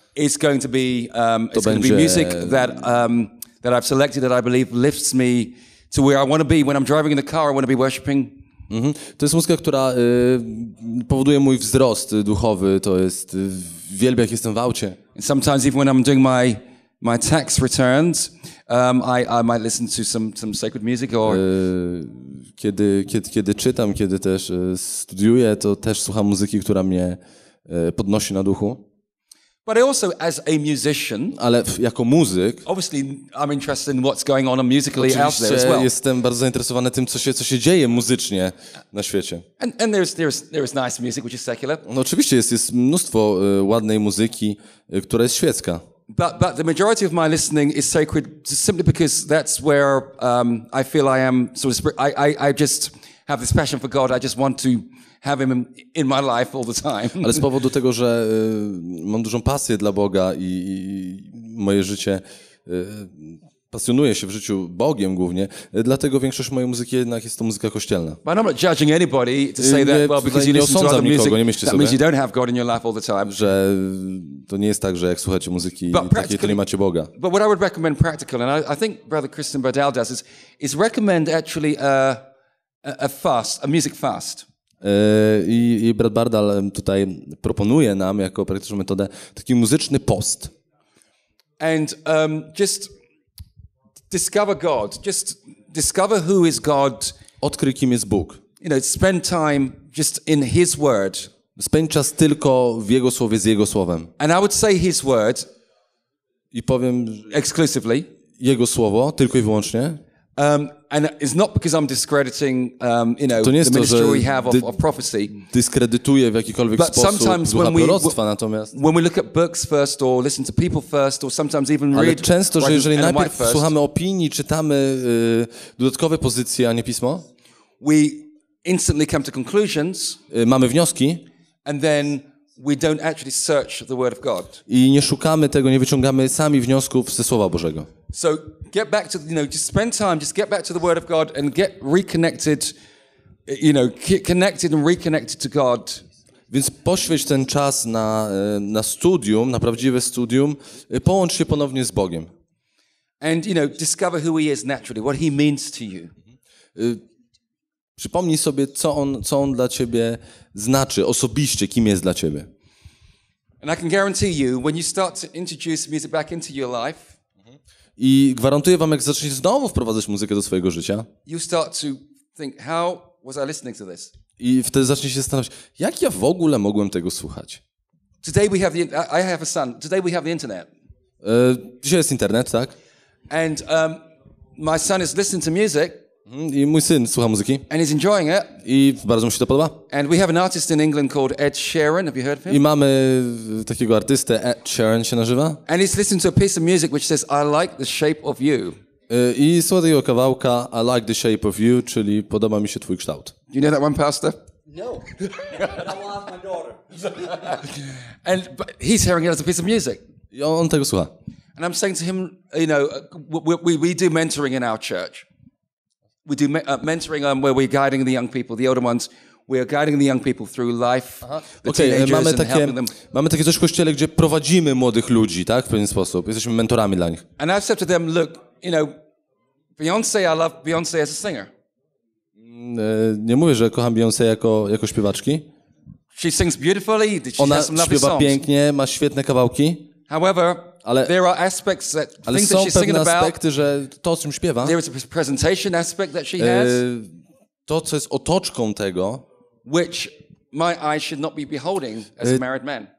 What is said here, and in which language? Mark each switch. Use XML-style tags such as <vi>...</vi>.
<en>It's going to be music that I've selected that I believe lifts me to where I want to be when I'm driving in the car. I want to be worshiping.</en> <pl>To jest muzyka, która powoduje mój wzrost duchowy, to jest wielbię, jak jestem w aucie.</pl> <en>Sometimes even when I'm doing my tax returns, I might listen to some sacred music or</en> <pl>kiedy czytam, kiedy też studiuję, to też słucham muzyki, która mnie podnosi na duchu.</pl> <en>But I also, as a musician,</en> <pl>ale jako muzyk,</pl> <en>obviously I'm interested in what's going on musically out there as well.</en> <pl>Jestem bardzo zainteresowany tym, co się dzieje muzycznie na świecie.</pl> <en>And there is nice music which is secular.</en> <pl>No oczywiście jest mnóstwo ładnej muzyki, która jest świecka.</pl> <en>But the majority of my listening is sacred simply because that's where I feel I am sort of I just have this passion for God. I just want to have him in my life all the time.</en> <pl>Ale z powodu tego, że mam dużą pasję dla Boga i moje życie pasjonuje się w życiu Bogiem głównie, dlatego większość mojej muzyki jednak jest to muzyka kościelna.</pl> <en>But I'm not judging anybody to say that, well, because you listen to other music,</en> <pl>nie myślcie sobie,</pl> <en>that means you don't have God in your life all the time.</en> <pl>Że to nie jest tak, że jak słuchacie muzyki takiej, to nie macie Boga.</pl> <en>But what I would recommend practically, and I think Brother Christian Bardell does, is recommend actually a fast, a music fast.</en> <pl>I Brad Bardal tutaj proponuje nam jako praktyczną metodę taki muzyczny post.</pl> <en>And just discover God. Just discover who is God.</en> <pl>Odkryj, kim jest Bóg.</pl> <en>You know, spend time just in His Word.</en> <pl>Spędź czas tylko w Jego słowie, z Jego słowem.</pl> <en>And I would say His Word.</en> <pl>I powiem</pl> <en>exclusively.</en> <pl>Jego słowo tylko i wyłącznie.</pl> <en>And it's not because I'm discrediting, you know, the ministry we have of prophecy.</en> <pl>Dyskredytuję w jakikolwiek sposób ducha proroctwa, natomiast</pl> <en>when we look at books first or listen to people first or sometimes even read.</en> <pl>Ale często, że jeżeli najpierw słuchamy opinii, czytamy dodatkowe pozycje, a nie pismo,</pl> <en>we instantly come to conclusions.</en> <pl>Mamy wnioski.</pl> <en>And then we don't actually search the Word of God.</en> <pl>I nie szukamy tego, nie wyciągamy sami wniosków ze Słowa Bożego.</pl> <en>So get back to, you know, just spend time, just get back to the Word of God and get reconnected, you know, connected and reconnected to God.</en> <pl>Więc poświęć ten czas na studium, na prawdziwe studium, połącz się ponownie z Bogiem.</pl> <en>And, you know, discover who He is naturally, what He means to you.</en> <pl>Przypomnij sobie, co on dla ciebie znaczy osobiście, kim jest dla ciebie.</pl> <en>And I can guarantee you, when you start to introduce music back into your life,</en> <pl>i gwarantuję wam, jak zaczniesz znowu wprowadzać muzykę do swojego życia,</pl> <en>you start to think, how was I listening to this?</en> <pl>I wtedy zaczniesz się zastanawiać, jak ja w ogóle mogłem tego słuchać.</pl> <en>Today we have the, I have a son. Today we have the internet.</en> <pl>Dzisiaj jest internet, tak?</pl> <en>And my son is listening to music.</en> <pl>I mój syn słucha muzyki.</pl> <en>And he's enjoying it.</en> <pl>I bardzo mu się to podoba.</pl> <en>And we have an artist in England called Ed Sheeran. Have you heard of him?</en> <pl>I mamy takiego artystę, Ed Sheeran się nazywa.</pl> <en>And he's listening to a piece of music which says, I like the shape of you.</en> <pl>I słucha tego kawałka,</pl> <en>I like the shape of you,</en> <pl>czyli podoba mi się twój kształt.</pl> <en>You know that one, pastor? No. I don't want my daughter. And but he's hearing it as a piece of music.</en> <pl>I on tego słucha.</pl> <en>And I'm saying to him, you know, we do mentoring in our church. We do mentoring where we're guiding the young people, the older ones. We are guiding the young people through life, the okay, teenagers,</en> <pl>mamy takie,</pl> <en>and helping them.</en> <pl>Mamy takie coś w kościele, gdzie prowadzimy młodych ludzi, tak, w pewien sposób. Jesteśmy mentorami dla nich.</pl> <en>And I've said to them, look, you know, Beyoncé, I love Beyoncé as a singer.</en> <pl>Nie mówię, że kocham Beyoncé jako śpiewaczki.</pl> <en>She sings beautifully. She</en> <pl>ona</pl> <en>has some lovely</en> <pl>śpiewa</pl> <en>songs.</en> <pl>Pięknie, ma świetne kawałki.</pl> <en>However,</en> <pl>ale,</pl> <en>there are aspects that</en> <pl>ale</pl> <en>things</en> <pl>są</pl> <en>that she's</en> <pl>pewne aspekty,</pl> <en>about,</en> <pl>że to, o czym śpiewa,</pl> <en>there is a presentation aspect that she has,</en> <pl>to, co jest otoczką tego,</pl> <en>which my eyes should not be beholding as a married man.</en>